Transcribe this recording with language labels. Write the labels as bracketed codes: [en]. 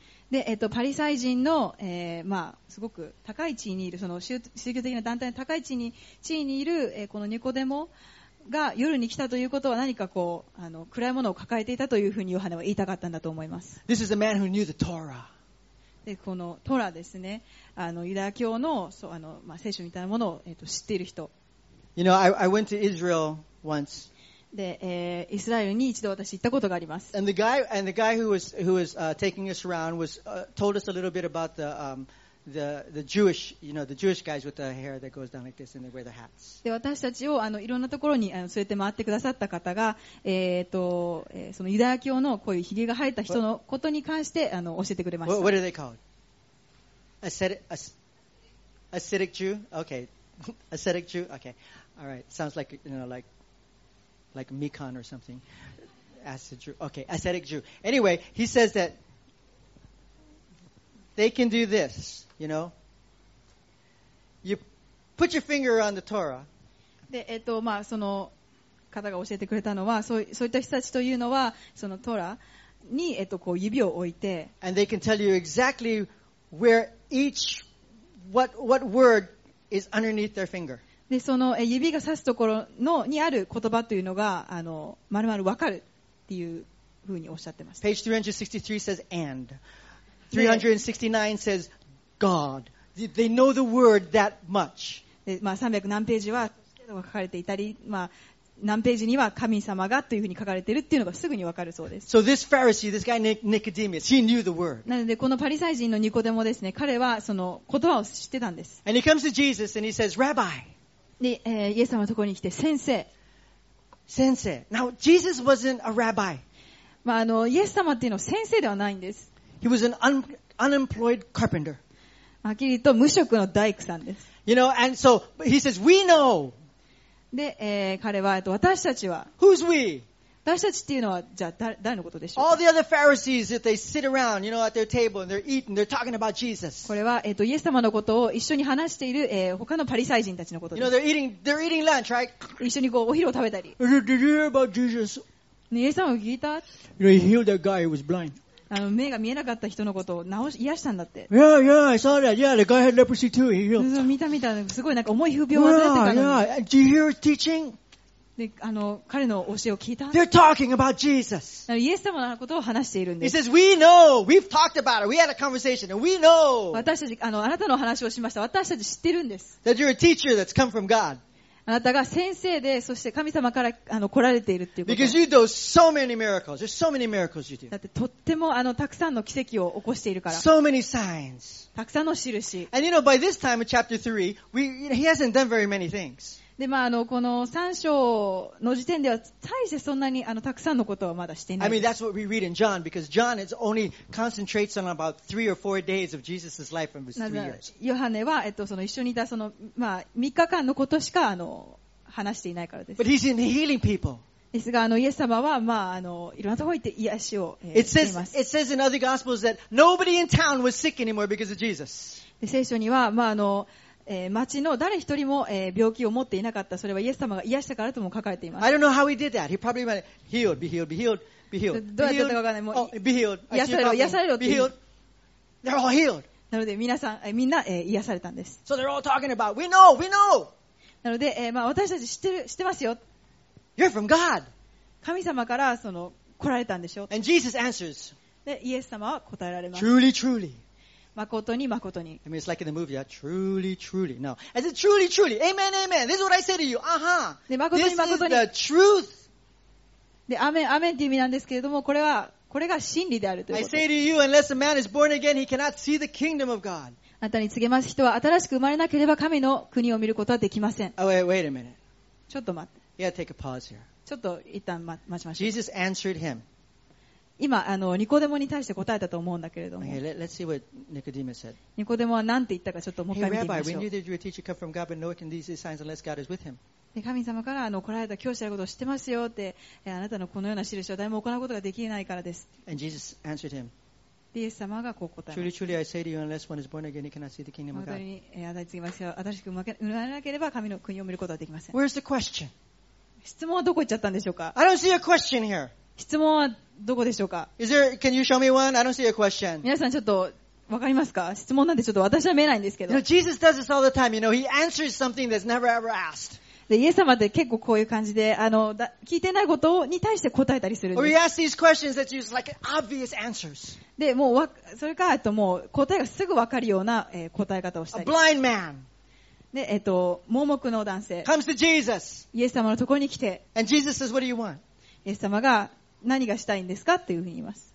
[ja] で、パリサイ人の、まあ、すごく高い地位にいる、その宗教的な団体の高い地位にいる、このニコデモが夜に来たということは何かこう、暗いものを抱えていたというふうにヨハネは言いたかったんだと思います。 [en] This is a man who knew the Torah. [ja] でこのトラですね、ユダヤ教 の, そうまあ、聖書みたいなものを、知っている人。 [en] You know, I went to Israel once. [ja] で、イスラエルに一度私行ったことがあります。 [en] And the guy who was taking us around was told us a little bit about the Jewish, you know, the Jewish guys with the hair that goes down like this and they wear the hats. [ja] で私たちをいろんなところに連れて回ってくださった方が、そのユダヤ教のこういうひげが生えた人のことに関して教えてくれました。 [en] What are they called? Ascetic Jew? Okay. Ascetic Jew? Okay. All right. Sounds like, you know, like Mekon or something. Acid Jew. Okay. Ascetic Jew. Anyway, he says that they can do this, you know. You put your finger on the Torah. [ja] で、まあ、その方が教えてくれたのは、そういった人たちというのは、そのトラに、こう指を置いて、 [en] And they can tell you exactly where each, what word is underneath their finger. [ja] で、その指が指すところのにある言葉というのが、まるまるわかるっていうふうにおっしゃってました。 [en] Page 363 says and. 369 says God. They know the word that much. [ja] で、まあ、300何ページは、書かれていたり、まあ、何ページには神様がというふうに書かれているっていうのがすぐにわかるそうです。 [en] So this Pharisee, this guy Nicodemus, he knew the word. [ja] なのでこのパリサイ人のニコデモですね、彼はその言葉を知ってたんです。 [en] And he comes to Jesus and he says, Rabbi. [ja] で、イエス様のところに来て、先生。先生。 [en] Now, Jesus wasn't a rabbi. [ja] まあ、イエス様っていうのは先生ではないんです。 [en] He was an unemployed carpenter. [ja] はっきり言うと無職の大工さんです。 [en] You know, and so, he says, we know. [ja] で、彼は、私たちは、 [en] Who's we? [ja] 私たちっていうのは、じゃあ誰のことでしょう。 [en] All the other Pharisees that they sit around, you know, at their table and they're eating, they're talking about Jesus. [ja] これは、イエス様のことを一緒に話している、他のパリサイ人たちのことです。 [en] You know, they're eating lunch, right? [ja] 一緒にこうお昼を食べたり。 [en] Did you hear about Jesus? [ja] イエス様を聞いた？ [en] You know, he healed that guy who was blind. [ja] 目が見えなかった人のことを癒したんだって。 [en] Yeah, yeah, I saw that. Yeah, the guy had leprosy too. He healed. [ja] 見た。すごいなんか重い風病を患ってたの。 [en] Yeah, yeah. Do you hear his teaching? [ja] で、彼の教えを聞いた。 [en] They're talking about Jesus. [ja] イエス様のことを話しているんです。 [en] He says, we know. We've talked about it. We had a conversation and we know. [ja] 私たち、あなたの話をしました。私たち知ってるんです。 [en] That you're a teacher that's come from God. [ja] あなたが先生で、そして神様から来られているっていうこと。 [en] Because you do so many miracles. There's so many miracles you do. [ja] だってとってもたくさんの奇跡を起こしているから。 [en] So many signs. [ja] たくさんの印。 [en] And you know, by this time in chapter 3, he hasn't done very many things. [ja] で、まあこの3章の時点では、大してそんなにたくさんのことはまだしていない。 [en] I mean, that's what we read in John, because John is only concentrates on about 3 or 4 days of Jesus' life from his 3 years. [ja] ヨハネは、その一緒にいた、その、まあ、3日間のことしか、話していないからです。 [en] But he's in healing people. [ja] ですが、イエス様は、まあ、いろんなところに行って癒しを、 [en] It says in other gospels that nobody in town was sick anymore because of Jesus. [ja] で、聖書には、まあ、町の誰一人も病気を持っていなかった。それはイエス様が癒したからとも書かれています。 [en] I don't know how he did that. He probably went healed, be healed, be healed, be healed. [ja] どうやったかわからない。もう、 [en] oh, be healed. [ja] 癒されろって。 [en] Be healed. They're all healed. [ja] なので皆さん癒されたんです。 [en] So they're all talking about. We know, we know. [ja] なので、まあ、私たち知ってますよ。 [en] You're from God. [ja] 神様から来られたんでしょ。 [en] And Jesus answers. [ja] でイエス様は答えられます。 [en] Truly, truly. [ja] まことにまことに。 [en] I mean, it's like in the movie, yeah. Truly, truly. No. I said, truly, truly. Amen, amen. This is what I say to you. [ja] で、まことにまことに。 [en] This is the truth. [ja] で、アメン、アメンっていう意味なんですけれども、これが真理であるということ。 [en] I say to you, unless a man is born again, he cannot see the kingdom of God. [ja] あなたに告げます。人は新しく生まれなければ神の国を見ることはできません。 [en] Oh, wait a minute. [ja] ちょっと待って。 [en] You gotta take a pause here. [ja] ちょっと一旦待ちましょう。 [en] Jesus answered him. [ja] 今ニコデモに対して答えたと思うんだけれども。 [en] Okay, let's see what Nicodemus said. [ja] ニコデモは何て言ったかちょっともう一回見てみましょう。 [en] Hey, Rabbi, we knew that you were a teacher come from God, but no one can do these signs unless God is with him. [ja] 神様から来られた教師であることを知ってますよって、あなたのこのような印は誰も行うことができないからです。 [en] And Jesus answered him. [ja] イエス様がこう答えました。 [en] Truly, truly, I say to you, unless one is born again, he cannot see the kingdom of God. [ja] 本当に与えつきますよ。新しく生まれなければ神の国を見ることはできません。 [en] Where's the question? [ja] 質問はどこ行っちゃったんでしょうか。 [en] I don't see a question here. [ja] 質問はどこでしょうか。 [en] Is there, can you show me one? I don't see a question. [ja] 皆さんちょっとわかりますか。質問なんてちょっと私は見えないんですけど。 [en] You know, Jesus does this all the time. You know, he answers something that's never ever asked. [ja] で、イエス様って結構こういう感じで聞いてないことに対して答えたりするんです。 [en] Or he asks these questions that use like obvious answers. [ja] で、もうそれかもう答えがすぐわかるような答え方をしたり。 [en] A blind man. [ja] で、盲目の男性。 [en] Comes to Jesus. [ja] イエス様のところに来て。 [en] And Jesus says, what do you want? [ja] イエス様が何がしたいんですかっていうふうに言います。